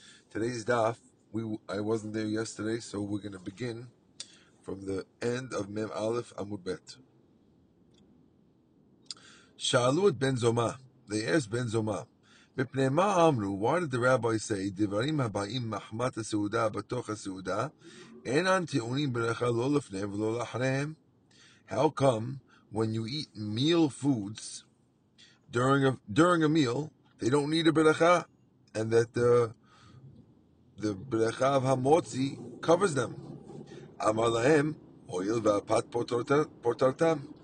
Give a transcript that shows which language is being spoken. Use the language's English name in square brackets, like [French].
[English] Today's Daf, I wasn't there yesterday, so we're going to begin from the end of Mem Aleph Amud Bet. [Hebrew] Sha'alu et Ben Zoma. [English] They asked Ben Zoma, [Hebrew] מפני מה אמרו, [English] why did the rabbi say, [Hebrew] דברים הבאים מחמת הסעודה בתוך הסעודה, אינן טעונים ברכה לא לפניהם ולא לאחריהם? [English] How come, when you eat meal foods, during a meal, they don't need a ברכה, and that the ברכה of המוצי covers them? [Hebrew] אמר להם, הועיל והפת פותרתם.